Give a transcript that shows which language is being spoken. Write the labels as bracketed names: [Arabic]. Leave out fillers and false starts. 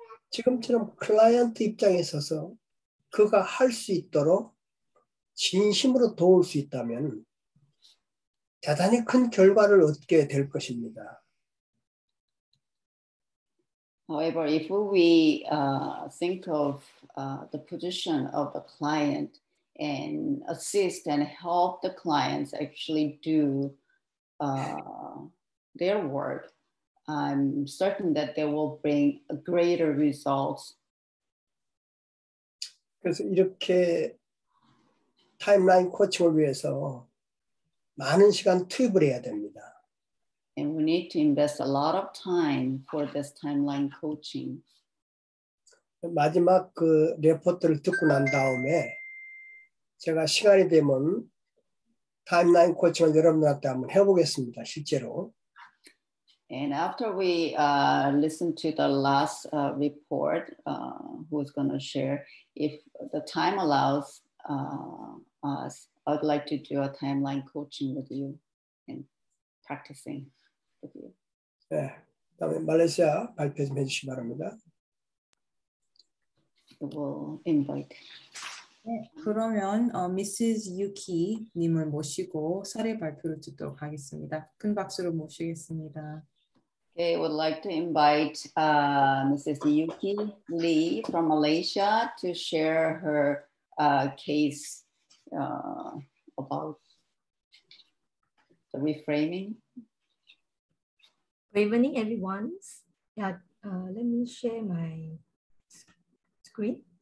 [Korean] 지금처럼 클라이언트 입장에 서서 그가 할 수 있도록 진심으로 도울 수 있다면 대단히 큰 결과를 얻게 될 것입니다. [English] However, if we think of the position of the client and assist and help the clients actually do their work, I'm certain that they will bring a greater results. [Korean] 그래서 이렇게 타임라인 코칭을 위해서 많은 시간 투입을 해야 됩니다. [English] And we need to invest a lot of time for this timeline coaching. [Korean] 마지막 그 레포트를 듣고 난 다음에 제가 시간이 되면 타임라인 코칭을 여러분들한테 한번 해보겠습니다, 실제로. [English] And after we listen to the last report, who's going to share, if the time allows us, I'd like to do a timeline coaching with you and practicing with you. [Korean] 네, 다음에 말레이시아 발표 좀 해주시기 바랍니다. [English] We'll invite. [Korean] 네, 그러면 미시즈 유키 님을 모시고 사례 발표를 듣도록 하겠습니다. 큰 박수로 모시겠습니다. [English] Okay, would like to invite Mrs. Yuki Lee from Malaysia to share her case about the reframing. Good evening, everyone. Yeah, let me share my screen.